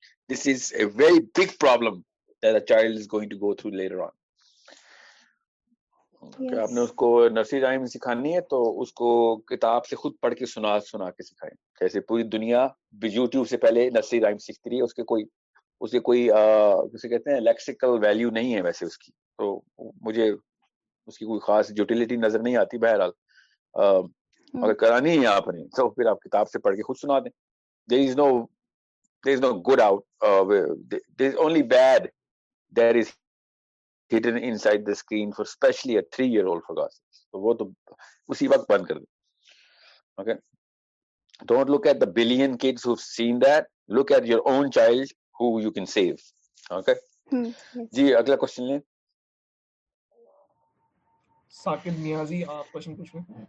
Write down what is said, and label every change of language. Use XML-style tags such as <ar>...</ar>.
<en>This is a very big problem that a child is going to go through later on.</en> <ur>آپ نے اس کو nursery time سکھانی ہے تو اس کو کتاب سے خود پڑھ کے سنا سنا کے سکھائیں, جیسے پوری دنیا یوٹیوب سے پہلے نرسری ٹائم سیکھتی رہی ہے, اسے کہتے ہیں لیکسیکل ویلیو نہیں ہے ویسے اس کی, تو مجھے اس کی کوئی خاص یوٹیلیٹی نظر نہیں آتی. بہرحال اگر کرانی ہے آپ نے تو پھر آپ کتاب سے پڑھ کے خود سنا دیں.</ur> <en>there is no good out, there is only bad there is hidden inside the screen for especially a 3 year old فگاس,</en> <ur>تو وہ تو اسی وقت بند کر دیں.</ur> <en>Okay, don't look at the billion kids who seen that, look at your own child who you can save.</en> <ur>Okay. جی اگلا question لیں. ثاقب نیازی آپ کوسچن پوچھیں.</ur>